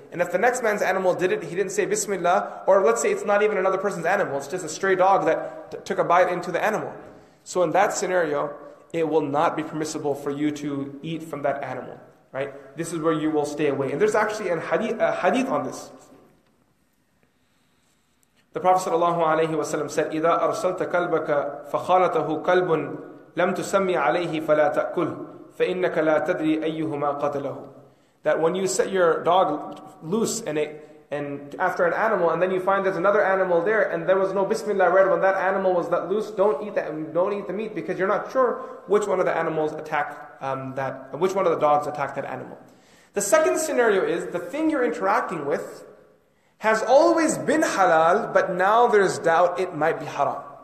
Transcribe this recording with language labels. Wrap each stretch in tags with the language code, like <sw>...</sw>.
<en>And if the next man's animal did it, he didn't say Bismillah. Or let's say it's not even another person's animal. It's just a stray dog that took a bite into the animal. So in that scenario, it will not be permissible for you to eat from that animal. Right? This is where you will stay away. And there's actually a hadith on this. The Prophet sallallahu alaihi wasallam said,</en> <ar>"إِذَا أَرْسَلْتَ كَلْبَكَ فَخَالَتَهُ كَلْبٌ لَمْ تُسَمِّ عَلَيْهِ فَلَا تَأْكُلْ فَإِنَّكَ لَا تَدْرِي أَيُّهُمَا قَتَلَهُ."</ar> <en>That when you set your dog loose and after an animal, and then you find there's another animal there, and there was no Bismillah read when that animal was that loose, don't eat the meat because you're not sure which one of the animals attacked which one of the dogs attacked that animal. The second scenario is the thing you're interacting with has always been halal, but now there's doubt it might be haram.</en>